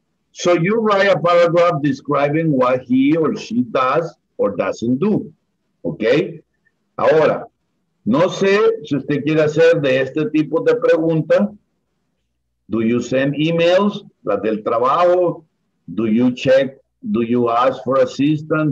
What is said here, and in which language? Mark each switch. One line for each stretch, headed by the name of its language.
English: So you write a paragraph describing what he or she does or doesn't do. Ok.
Spanish: Ahora, no sé si usted quiere hacer de este tipo de pregunta,
English: Do you send emails,
Spanish: las del trabajo?
English: Do you check, do you ask for assistance?